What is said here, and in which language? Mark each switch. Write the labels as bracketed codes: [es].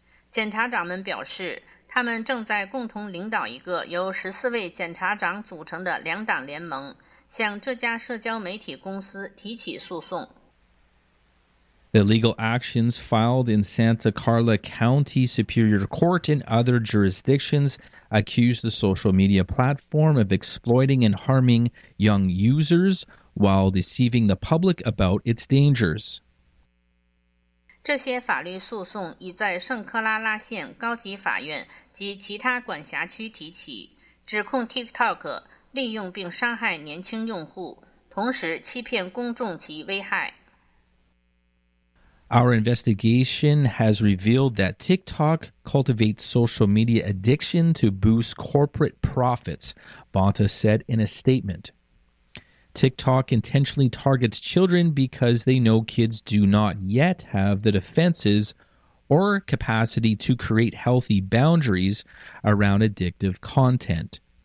[zh] 检察长们表示，他们正在共同领导一个由14位检察长组成的两党联盟，向这家社交媒体公司提起诉讼。 [en] The legal actions filed in Santa Carla County Superior Court and other jurisdictions accuse the social media platform of exploiting and harming young users while deceiving the public about its dangers. [zh] 这些法律诉讼已在圣克拉拉县高级法院及其他管辖区提起，指控 TikTok 利用并伤害年轻用户，同时欺骗公众及危害。 [en] Our investigation has revealed that TikTok cultivates social media addiction to boost corporate profits, Bonta said in a statement. TikTok intentionally targets children because they know kids do not yet have the defenses or capacity to create healthy boundaries around addictive content.